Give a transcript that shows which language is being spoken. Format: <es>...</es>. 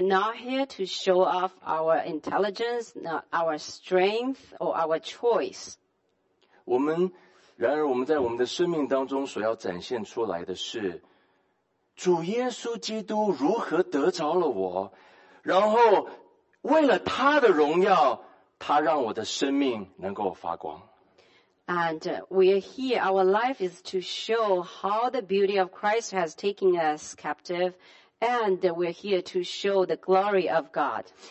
<en>not here to show off our intelligence, not our strength or our choice.</en> <zh>然而我们在我们的生命当中所要展现出来的是主耶稣基督如何得着了我，然后 为了他的荣耀，他让我的生命能够发光。And</zh> <en>we are here. Our life is to show how the beauty of Christ has taken us captive, and we're here to show the glory of God.</en>